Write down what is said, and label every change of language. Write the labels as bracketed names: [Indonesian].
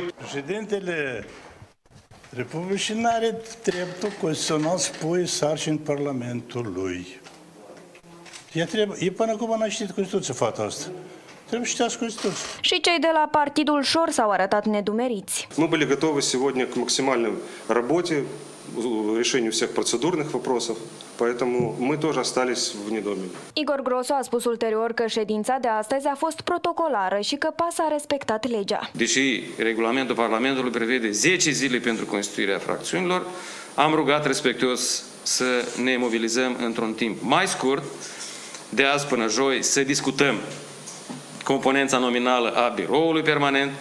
[Romanian] Președintele Republicii nu are dreptul constituțional să pui sarcini în Parlamentului. E până acum n-a citit Constituția, fata asta. Trebuie să citească Constituția. Și cei de la Partidul Șor s-au arătat nedumeriți. [Russian] Мы были готовы сегодня к максимальной работе, решению всех процедурных вопросов. Поэтому мы тоже остались в недоумении. [Romanian] Igor Grosu a spus ulterior că ședința de astăzi a fost protocolară și că PAS a respectat legea. Deși regulamentul Parlamentului prevede 10 zile pentru constituirea fracțiunilor, am rugat respectuos să ne mobilizăm într-un timp mai scurt, de azi până joi, să discutăm componența nominală a biroului permanent.